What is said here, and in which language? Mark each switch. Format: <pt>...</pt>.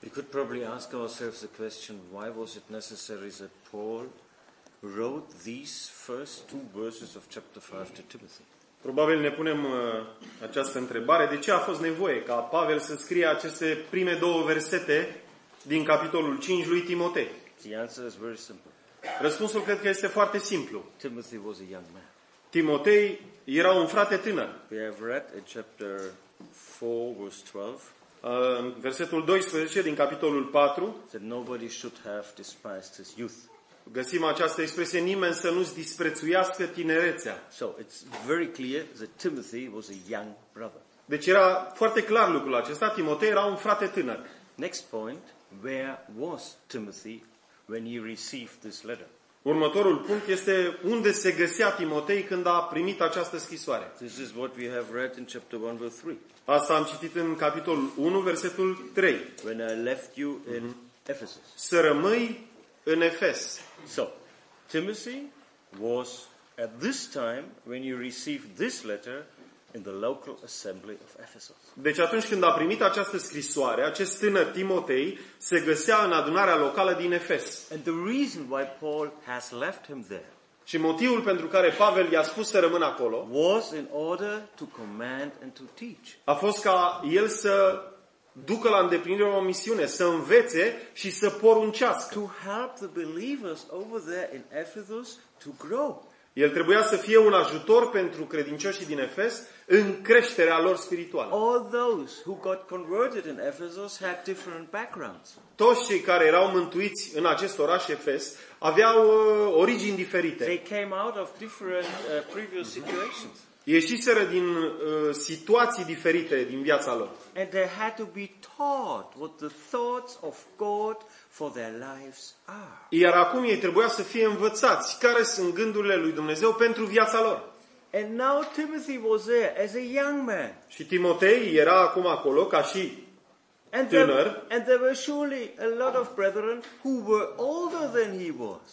<en>Probably ask ourselves the question, why was it necessary that Paul wrote these first two verses of chapter 5 to Timothy?</en> <ro>Probabil ne punem această întrebare, de ce a fost nevoie ca Pavel să scrie aceste prime două versete din capitolul 5 lui Timotei?</ro> <en>The answer is very simple.</en> <ro>Răspunsul cred că este foarte simplu.</ro> <en>Timothy was a young man.</en> <ro>Timotei era un frate tânăr.</ro> <en>We have read in chapter 4 verse 12.</en> <ro>Versetul 12 din capitolul 4</ro> <en>that nobody should have despised his youth.</en> <ro>Găsim această expresie, nimeni să nu-ți disprețuiască tinerețea.</ro> <en>So it's very clear that Timothy was a young brother.</en> <ro>Deci era foarte clar lucrul acesta, Timotei era un frate tânăr.</ro> <en>Next point, where was Timothy when he received this letter?</en> <ro>Următorul punct este unde se găsea Timotei când a primit această scrisoare.</ro> <en>This is what we have read in chapter 1 verse 3.</en> <ro>Asta am citit în capitolul 1, versetul 3.</ro> <en>When I left you in Ephesus.</en> <ro>Să rămâi în Efes.</ro> <en>So, Timothy was at this time when you received this letter in the local assembly of Ephesus.</en> <ro>Deci atunci când a primit această scrisoare, acest tânăr Timotei se găsea în adunarea locală din Efes.</ro> <en>And the reason why Paul has left him there.</en> <ro>Și motivul pentru care Pavel i-a spus să rămână acolo</ro> <en>was in order to command and to teach.</en> <ro>A fost ca el să ducă la îndeplinire o misiune, să învețe și să poruncească.</ro> <en>To help the believers over there in Ephesus to grow.</en> <ro>El trebuia să fie un ajutor pentru credincioșii din Efes în creșterea lor spirituală.</ro> <en>All those who got converted in Ephesus had different backgrounds.</en> <ro>Toți cei care erau mântuiți în acest oraș Efes aveau origini diferite.</ro> <en>They came out of different previous situations.</en> <ro>Ieșiseră din situații diferite din viața lor.</ro> <en>And they had to be taught what the thoughts of God for their lives are.</en> <ro>Iar acum ei trebuia să fie învățați care sunt gândurile lui Dumnezeu pentru viața lor.</ro> <en>And now Timothy was there as a young man.</en> <ro>Și Timotei era acum acolo ca și tânăr.</ro> <en>And there were surely a lot of brethren who were older than he was.</en>